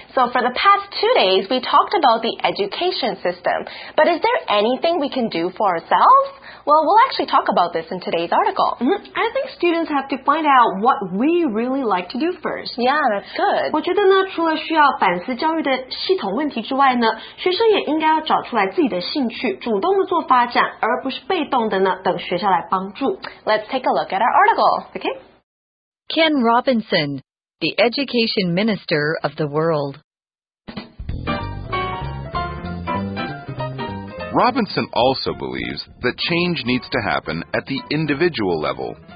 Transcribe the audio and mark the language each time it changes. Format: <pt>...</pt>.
<en>So for the past 2 days, we talked about the education system. But is there anything we can do for ourselves? Well, we'll actually talk about this in today's article. I think students have to find out what we really like to do first. Yeah, that's good.</en> <zh>我觉得呢，除了需要反思教育的系统问题之外呢，学生也应该要找出来自己的兴趣，主动的做发展，而不是被动的呢，等学校来帮助。</zh> <en>Let's take a look at our article. Okay. Ken Robinson, the Education Minister of the World. Robinson also believes that change needs to happen at the individual level.</en>